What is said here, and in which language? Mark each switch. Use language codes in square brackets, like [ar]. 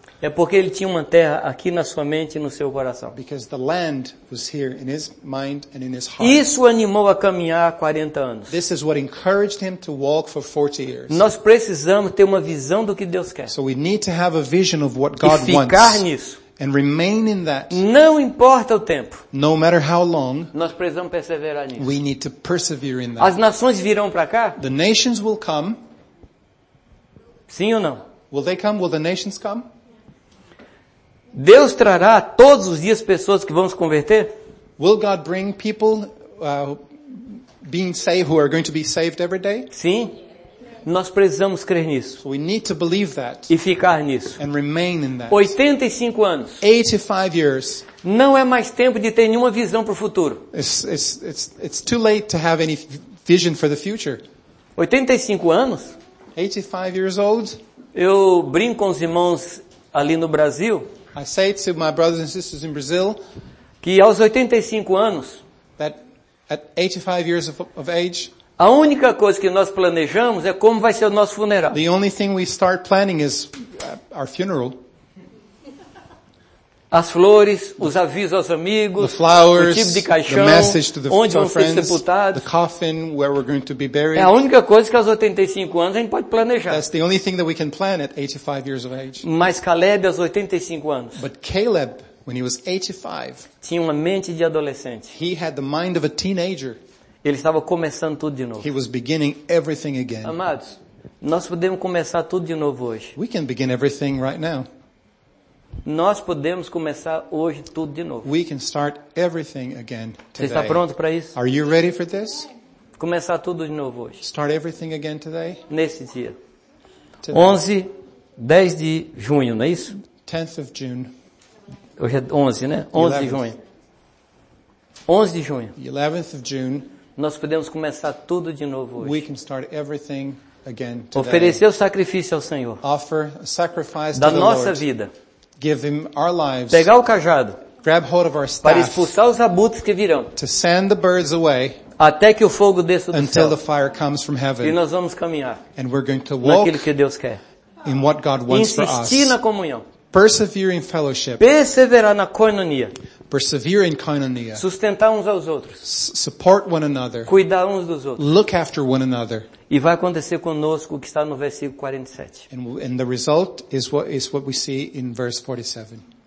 [pt] É porque ele tinha uma terra aqui na sua mente e no seu coração. [en] Because the land was here in his mind and in his heart. [pt] Isso animou a caminhar 40 anos. [en] This is what encouraged him to walk for 40 years. [pt] Nós precisamos ter uma visão do que Deus quer. [en] So we need to have a vision of what God wants. [pt] E ficar nisso. [en] And remain in that. [pt] Não importa o tempo. [en] No matter how long. [pt] Nós precisamos perseverar nisso. [en] We need to persevere in that. [pt] As nações virão para cá? [en] The nations will come. [pt] Sim ou não? [en] Will they come? Will the nations come? [pt] Deus trará todos os dias pessoas que vão se converter? [en] Will God bring people being saved who are going to be saved every day? [pt] Sim. Nós precisamos crer nisso. [en] We need to believe that. [pt] E ficar nisso. [en] And remain in that. [pt] 85 anos. [en] 85 years. [pt] Não é mais tempo de ter nenhuma visão para o futuro. [en] It's too late to have any vision for the future. [pt] 85 anos? [en] 85 years old. [pt] Eu brinco com os irmãos ali no Brasil. [en] I say to my brothers and sisters in Brazil. [pt] Que aos 85 anos. [en] That at 85 years of age. [pt] A única coisa que nós planejamos é como vai ser o nosso funeral. [en] The only thing we start planning is our funeral. [pt] As flores, os avisos aos amigos, [en] the flowers, [pt] o tipo de caixão, [en] the message to the [pt] onde vão ser sepultados, [en] the coffin where we're going to be buried. [pt] É a única coisa que aos 85 anos a gente pode planejar. [en] That's the only thing that we can plan at 85 years of age. [pt] Mas Caleb aos 85 anos. [en] But Caleb, when he was 85, [pt] tinha uma mente de adolescente. [en] He had the mind of a teenager. [pt] Ele estava começando tudo de novo. [en] He was beginning everything again. [pt] Amados, nós podemos começar tudo de novo hoje. [en] We can begin everything right now. [pt] Nós podemos começar hoje tudo de novo. [en] We can start everything again today. [pt] Você está pronto para isso? [en] Are you ready for this? [pt] Começar tudo de novo hoje. [en] Start everything again today. [pt] Nesse dia. [en] Today. [pt] 11, 10 de junho, não é isso? [en] 10th of June. [pt] Hoje é 11, né? 11 [en] 11th. [pt] De junho. 11 de junho. [en] The 11th of June. [pt] Nós podemos começar tudo de novo hoje. [en] We can start everything again today. [pt] Oferecer o sacrifício ao Senhor. [en] Offer a sacrifice [pt] da [en] to the [pt] nossa [en] Lord. [pt] Vida. [en] Give him our lives. [pt] Pegar o cajado. [en] Grab hold of our staff. [pt] Para expulsar os abutres que virão. [en] To send the birds away. [pt] Até que o fogo desça do céu. [en] Until the fire comes from heaven. [pt] E nós vamos caminhar. [en] And we're going to walk [pt] naquilo que Deus quer. [en] In what God wants [pt] insistir [en] for us. [pt] Insistir na comunhão. [en] Persevere in fellowship. [pt] Perseverar na coinonia. [en] Persevere in koinonia. [pt] Sustentar uns aos outros. [en] Support one another. [pt] Cuidar uns dos outros. [en] Look after one another. [pt] E vai acontecer conosco o que está no versículo 47. [en] And the result is what we see in verse 47.